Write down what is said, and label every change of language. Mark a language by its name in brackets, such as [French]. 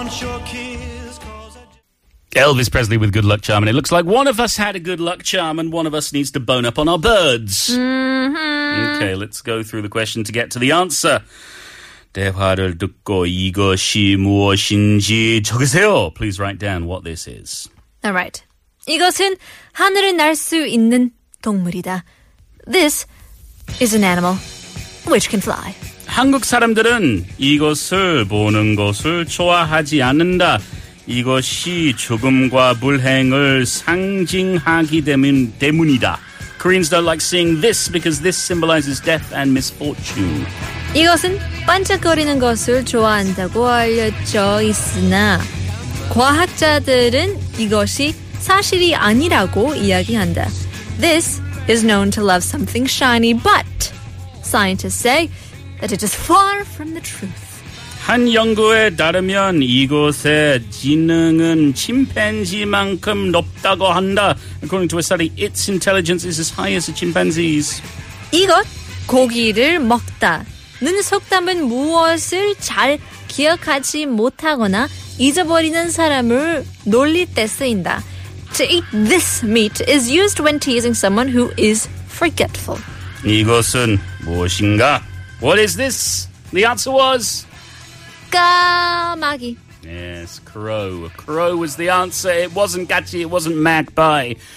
[English] Elvis Presley with Good Luck Charm. And it looks like one of us had a good luck charm and one of us needs to bone up on our birds. Mm-hmm. Okay, let's go through the question to get to the answer. [Korean] 대화를 듣고 이것이 무엇인지 적으세요. [English] Please write down what this is. All right. [Korean] 이것은 하늘을 날 수 있는 동물이다. [English] This is an animal which can fly. [Korean] 한국 사람들은 이것을 보는 것을 좋아하지 않는다. 이것이 죽음과 불행을 상징하기 때문이다. [English] Koreans don't like seeing this because this symbolizes death and misfortune. [Korean] 이것은 반짝거리는 것을 좋아한다고 알려져 있으나 과학자들은 이것이 사실이 아니라고 이야기한다. [English] This is known to love something shiny, but scientists say that it is far from the truth. [Korean] 한 연구에 따르면 이곳의 지능은 침팬지만큼 높다고 한다. [English] According to a study, its intelligence is as high as a chimpanzee's. [Korean] 이것 고기를 먹다는 속담은 무엇을 잘 기억하지 못하거나 잊어버리는 사람을 놀릴 때 쓰인다. [English] To eat this meat is used when teasing someone who is forgetful. [Korean] 이것은 무엇인가? [English] What is this? The answer was... [Korean] 까마귀. [English] Yes, crow. Crow was the answer. It wasn't gachi, it wasn't magpie.